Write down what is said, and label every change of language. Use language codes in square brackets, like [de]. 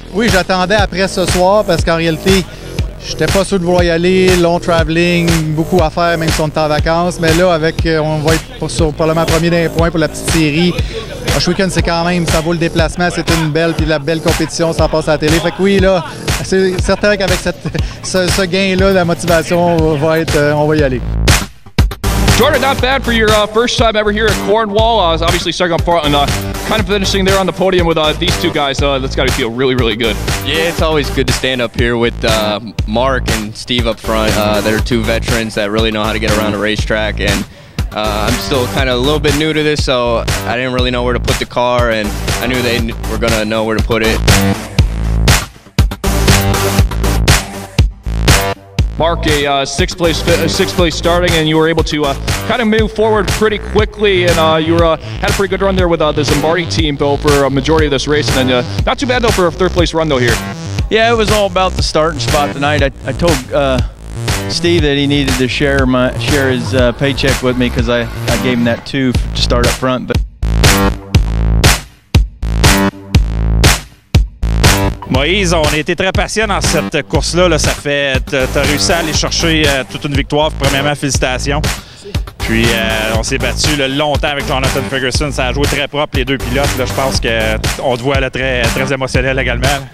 [fr] Oui, j'attendais après ce soir parce qu'en réalité, j'étais pas sûr de vouloir y aller, [en] long traveling, [fr] beaucoup à faire même si on est en vacances. Mais là, on va être sur probablement premier d'un point pour la petite série. Un week-end, c'est quand même, ça vaut le déplacement, c'est une belle, puis la belle compétition, ça passe à la télé. Fait que oui, là, c'est certain qu'avec ce gain-là, la motivation va être, on va y aller. [en] Jordan, not bad for your first time ever here at Cornwall. Obviously, starting up front and kind of finishing there on the podium with these two guys. That's got to feel really, really good. Yeah, it's always good to stand up here with Mark and Steve up front. They're two veterans that really know how to get around a racetrack. And I'm still kind of a little bit new to this, so I didn't really know where to put the car. And I knew they were going to know where to put it. Mark, a sixth place starting, and you were able to kind of move forward pretty quickly, and you were had a pretty good run there with the Zimbardi team though for a majority of this race, and then not too bad though for a third place run though here. Yeah, it was all about the starting spot tonight. I told Steve that he needed to share his paycheck with me because I gave him that two to start up front, but. [fr] Moïse, on a été très patient dans cette course-là. Là. Ça fait, t'as réussi à aller chercher toute une victoire. Premièrement, félicitations. Puis, on s'est battu là, longtemps avec Jonathan Ferguson. Ça a joué très propre, les deux pilotes. Là, je pense qu'on te voit là, très, très émotionnel également.